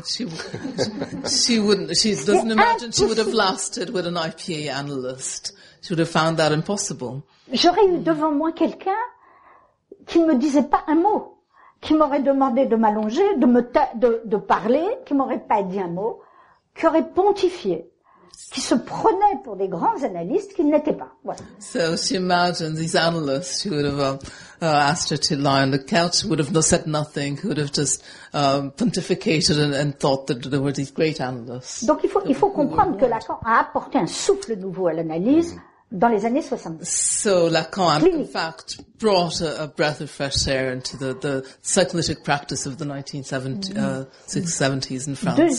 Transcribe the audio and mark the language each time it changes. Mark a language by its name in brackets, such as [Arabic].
[English] She would have lasted with an IPA analyst. She would have found that impossible. [French] J'aurais eu devant moi quelqu'un qui ne me disait pas un mot, qui m'aurait demandé de m'allonger, de parler, qui m'aurait pas dit un mot, qui aurait pontifié. Qui se prenaient pour des grands analystes qu'ils n'étaient pas. Voilà. [English] So she imagined these analysts who would have asked her to lie on the couch, would have said nothing, who would have just pontificated and thought that there were these great analysts. [French] Donc il faut comprendre que Lacan a apporté un souffle nouveau à l'analyse dans les années 70. [English] So Lacan, in fact, brought a breath of fresh air into the psychoanalytic practice of the 1970s in France.